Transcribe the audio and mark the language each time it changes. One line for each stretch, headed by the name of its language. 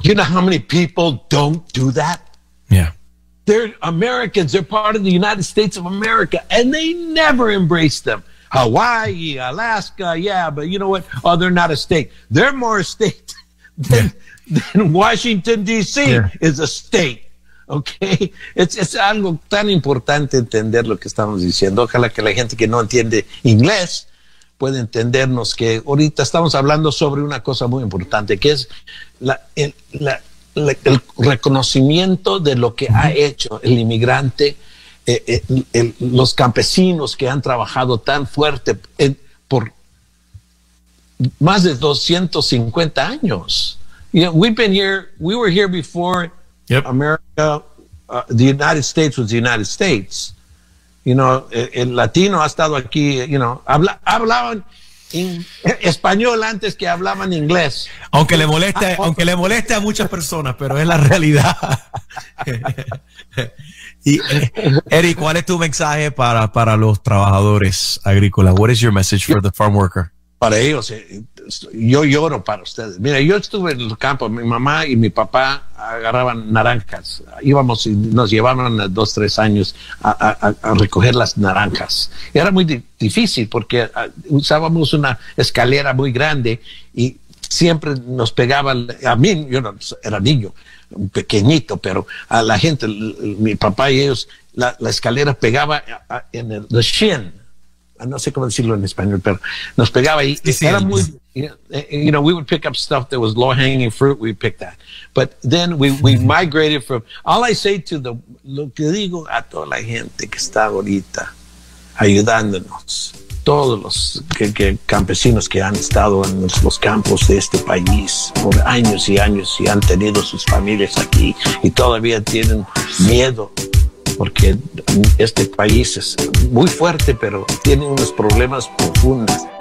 English: You know how many people don't do that? Yeah. They're Americans. They're part of the United States of America, and they never embrace them. Hawaii, Alaska, yeah, but you know what? Oh, they're not a state. They're more a state than Washington, D.C. is a state.
Spanish: Okay, es algo tan importante entender lo que estamos diciendo. Ojalá que la gente que no entiende inglés pueda entendernos que ahorita estamos hablando sobre una cosa muy importante, que es el reconocimiento de lo que ha hecho el inmigrante, los campesinos que han trabajado tan fuerte por más de 250 años.
English: You know, we were here before. Yep. America, the United States was the United States. You know,
Spanish: el latino ha estado aquí,
English: you know,
Spanish: hablaban español antes que hablaban inglés. Aunque le moleste a muchas personas, pero es la realidad. Y, Eric, ¿cuál es tu mensaje para los trabajadores agrícolas?
English: What is your message for the farm worker?
Spanish: Para ellos, yo lloro para ustedes. Mira, yo estuve en el campo, mi mamá y mi papá agarraban naranjas. Íbamos y nos llevaban 2-3 años a recoger las naranjas. Y era muy difícil porque usábamos una escalera muy grande y siempre nos pegaban, a mí, yo no, era niño, pequeñito, pero a la gente, mi papá y ellos, la escalera pegaba en el shin. No sé cómo decirlo en español, pero nos pegaba ahí. Sí, sí. Era muy,
English: you know, we would pick up stuff that was low-hanging fruit. We'd pick that. But then we migrated from... All I say to the...
Spanish: Lo que digo a toda la gente que está ahorita ayudándonos, todos los que campesinos que han estado en los campos de este país por años y años y han tenido sus familias aquí y todavía tienen miedo, porque este país es muy fuerte, pero tiene unos problemas profundos.